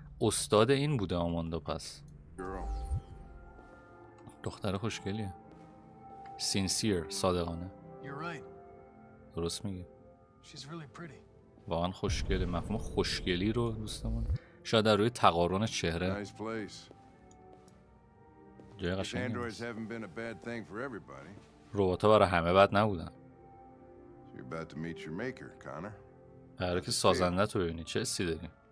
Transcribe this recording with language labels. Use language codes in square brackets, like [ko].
[fa] استاد این بوده آماندا. پس دختر خوشگلیه. سینسیر صادقانه. درست میگه. [en] She's really pretty. [fa] واقعا خوشگله. مفهوم خوشگلی رو دوستمون شاید در روی تقارن چهره. [en] Nice place. [fa] جای قشنگی. [en] Androids haven't been a bad thing for everybody. [fa] ربات‌ها برای همه بد نبودن. [en] So you're about to meet your maker, Connor. [fa] برای که سازنده تو ببینی چه حسی داری.